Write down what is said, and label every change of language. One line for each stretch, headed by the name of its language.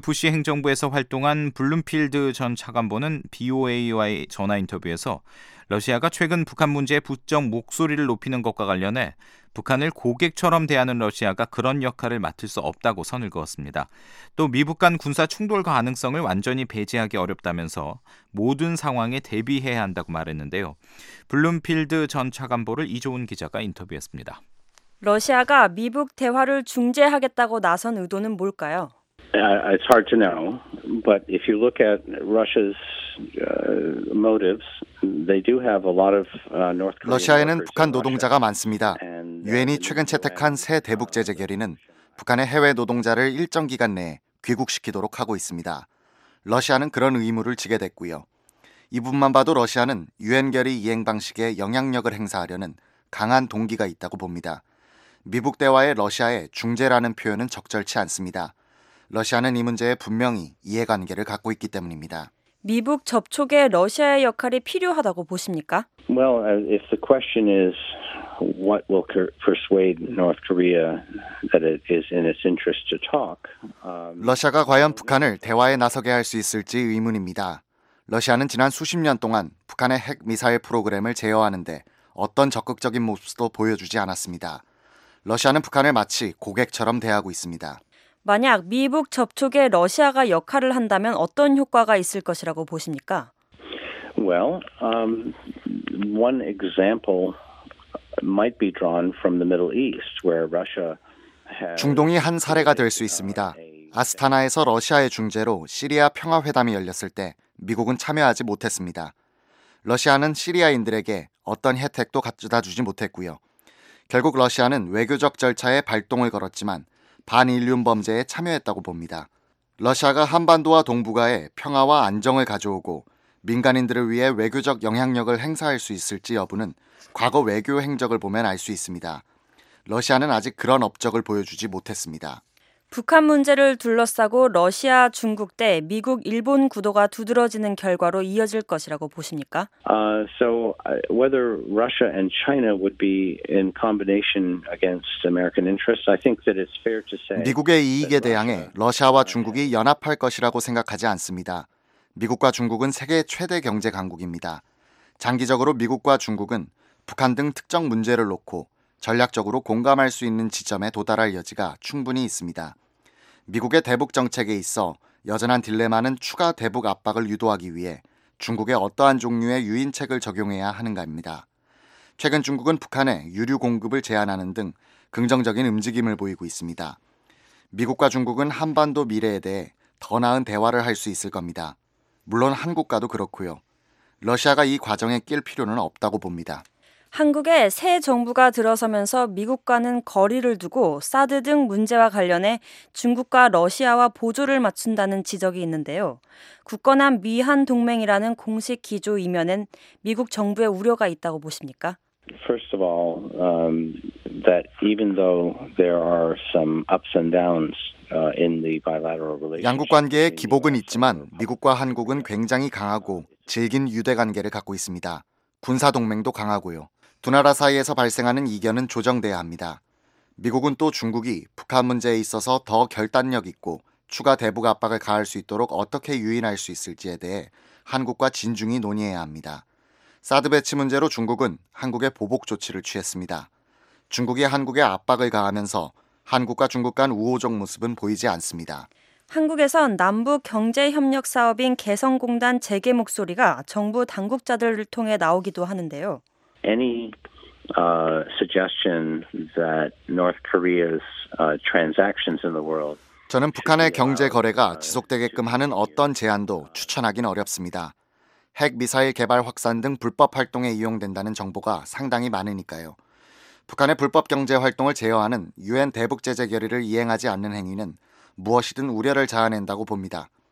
Korean: 부시 행정부에서 활동한 블룸필드 전 차관보는 BOA와의 전화 인터뷰에서 러시아가 최근 북한 문제에 부쩍 목소리를 높이는 것과 관련해 북한을 고객처럼 대하는 러시아가 그런 역할을 맡을 수 없다고 선을 그었습니다. 또 미북 간 군사 충돌 가능성을 완전히 배제하기 어렵다면서 모든 상황에 대비해야 한다고 말했는데요. 블룸필드 전 차관보를 이조은 기자가 인터뷰했습니다. 러시아가 미북 대화를 중재하겠다고 나선 의도는 뭘까요?
English: It's hard to know, but if you look at Russia's motives, they do have a lot of North Korean.
Korean: 러시아에는 북한 노동자가 많습니다. 유엔이 최근 채택한 새 대북 제재 결의는 북한의 해외 노동자를 일정 기간 내에 귀국시키도록 하고 있습니다. 러시아는 그런 의무를 지게 됐고요. 이분만 봐도 러시아는 유엔 결의 이행 방식에 영향력을 행사하려는 강한 동기가 있다고 봅니다. 미북 대화에 러시아의 중재라는 표현은 적절치 않습니다. 러시아는 이 문제에 분명히 이해관계를 갖고 있기 때문입니다. 미북 접촉에 러시아의 역할이 필요하다고 보십니까?
English: Well, if the question is what will persuade North Korea that it is in its interest to talk.
Korean: 러시아가 과연 북한을 대화에 나서게 할 수 있을지 의문입니다. 러시아는 지난 수십 년 동안 북한의 핵 미사일 프로그램을 제어하는데 어떤 적극적인 모습도 보여주지 않았습니다. 러시아는 북한을 마치 고객처럼 대하고 있습니다. 만약 미북 접촉에 러시아가 역할을 한다면 어떤 효과가 있을 것이라고 보십니까?
English: Well, one example might be drawn from the Middle East where Russia has
Korean: 중동이 한 사례가 될 수 있습니다. 아스타나에서 러시아의 중재로 시리아 평화 회담이 열렸을 때 미국은 참여하지 못했습니다. 러시아는 시리아인들에게 어떤 혜택도 갖다 주지 못했고요. 결국 러시아는 외교적 절차에 발동을 걸었지만 반인륜 범죄에 참여했다고 봅니다. 러시아가 한반도와 동북아에 평화와 안정을 가져오고 민간인들을 위해 외교적 영향력을 행사할 수 있을지 여부는 과거 외교 행적을 보면 알 수 있습니다. 러시아는 아직 그런 업적을 보여주지 못했습니다. 북한 문제를 둘러싸고 러시아, 중국 대 미국, 일본 구도가 두드러지는 결과로 이어질 것이라고 보십니까?
English: So whether Russia and China would be in combination against American interests, I think that it's fair to say
Korean: 미국의 이익에 대항해 러시아와 중국이 연합할 것이라고 생각하지 않습니다. 미국과 중국은 세계 최대 경제 강국입니다. 장기적으로 미국과 중국은 북한 등 특정 문제를 놓고 전략적으로 공감할 수 있는 지점에 도달할 여지가 충분히 있습니다. 미국의 대북 정책에 있어 여전한 딜레마는 추가 대북 압박을 유도하기 위해 중국에 어떠한 종류의 유인책을 적용해야 하는가입니다. 최근 중국은 북한에 유류 공급을 제한하는 등 긍정적인 움직임을 보이고 있습니다. 미국과 중국은 한반도 미래에 대해 더 나은 대화를 할 수 있을 겁니다. 물론 한국과도 그렇고요. 러시아가 이 과정에 낄 필요는 없다고 봅니다. 한국에 새 정부가 들어서면서 미국과는 거리를 두고 사드 등 문제와 관련해 중국과 러시아와 보조를 맞춘다는 지적이 있는데요. 굳건한 미한 동맹이라는 공식 기조 이면엔 미국 정부의 우려가 있다고 보십니까?
English: First of all, that even though there are some ups and downs in the bilateral relationship,
Korean: 양국 관계에 기복은 있지만 미국과 한국은 굉장히 강하고 질긴 유대 관계를 갖고 있습니다. 군사 동맹도 강하고요. 두 나라 사이에서 발생하는 이견은 조정돼야 합니다. 미국은 또 중국이 북한 문제에 있어서 더 결단력 있고 추가 대북 압박을 가할 수 있도록 어떻게 유인할 수 있을지에 대해 한국과 진중히 논의해야 합니다. 사드 배치 문제로 중국은 한국의 보복 조치를 취했습니다. 중국이 한국에 압박을 가하면서 한국과 중국 간 우호적 모습은 보이지 않습니다. 한국에선 남북 경제협력 사업인 개성공단 재개 목소리가 정부 당국자들을 통해 나오기도 하는데요.
English: Any suggestion that North Korea's transactions in the world
Korean: 저는 북한의 경제 거래가 지속되게끔 하는 어떤 제안도 추천하긴 어렵습니다. 핵 미사일 개발 확산 등 불법 활동에 이용된다는 정보가 상당히 많으니까요. 북한의 불법 경제 활동을 제어하는 유엔 대북 제재 결의를 이행하지 않는 행위는 무엇이든 우려를 자아낸다고 봅니다.